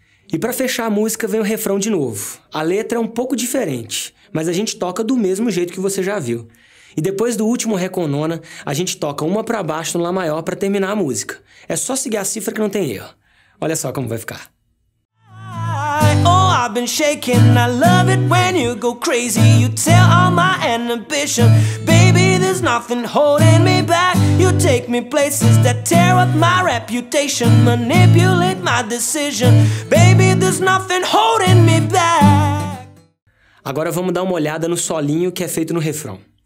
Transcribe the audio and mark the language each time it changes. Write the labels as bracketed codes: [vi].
[pt] E pra fechar a música vem o refrão de novo. A letra é um pouco diferente, mas a gente toca do mesmo jeito que você já viu. E depois do último Ré com nona, a gente toca uma pra baixo no Lá maior pra terminar a música. É só seguir a cifra que não tem erro. Olha só como vai ficar. [en] Oh, I've been shaking, I love it when you go crazy. You tear all my inhibition. Baby, there's nothing holding me back. You take me places that tear up my reputation. Manipulate my decision. Baby, there's nothing holding me back. [pt] Agora vamos dar uma olhada no solinho que é feito no refrão.